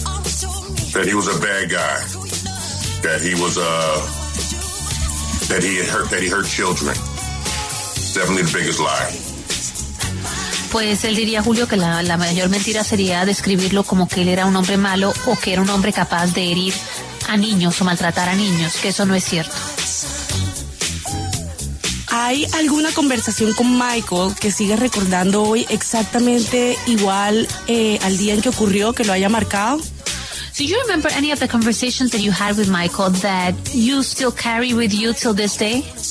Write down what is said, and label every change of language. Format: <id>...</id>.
<en>that he was a bad guy, that he was that he hurt children. Definitely the biggest lie.</en> <es>Pues él diría, Julio, que la mayor mentira sería describirlo como que él era un hombre malo o que era un hombre capaz de herir a niños o maltratar a niños, que eso no es cierto. ¿Hay alguna conversación con Michael que siga recordando hoy exactamente igual al día en que ocurrió, que lo haya marcado?</es> <en>Do you remember any of the conversations that you had with Michael that you still carry with you till this day?</en>